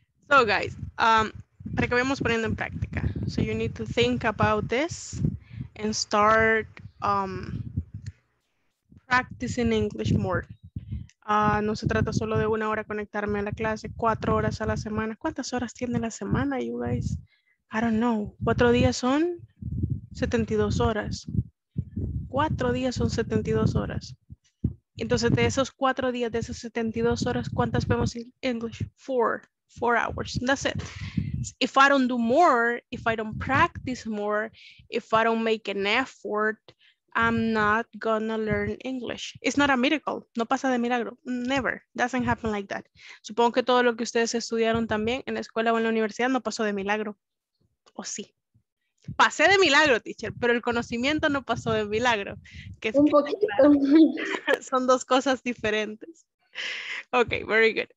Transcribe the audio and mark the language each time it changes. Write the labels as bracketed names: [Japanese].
[English] So guys, [Spanish] para que vayamos poniendo en práctica. [English] So you need to think about this and start practicing English more. [Spanish] No se trata solo de una hora conectarme a la clase, 4 horas a la semana. ¿Cuántas horas tiene la semana, [English] you guys? I don't know. [Spanish] 4 días son 72 horas. 4 días son 72 horas. Entonces, de esos 4 días, de esas 72 horas, ¿cuántas vemos en inglés? [English] 4 hours. That's it. If I don't do more, if I don't practice more, if I don't make an effort, I'm not gonna learn English. It's not a miracle. [Spanish] No pasa de milagro. [English] Never. Doesn't happen like that. [Spanish] Supongo que todo lo que ustedes estudiaron también en la escuela o en la universidad no pasó de milagro. ¿O sí? pasé de milagro, teacher, pero el conocimiento no pasó de milagro. Que es un que poquito. Claro. Son dos cosas diferentes. [English] Ok, very good.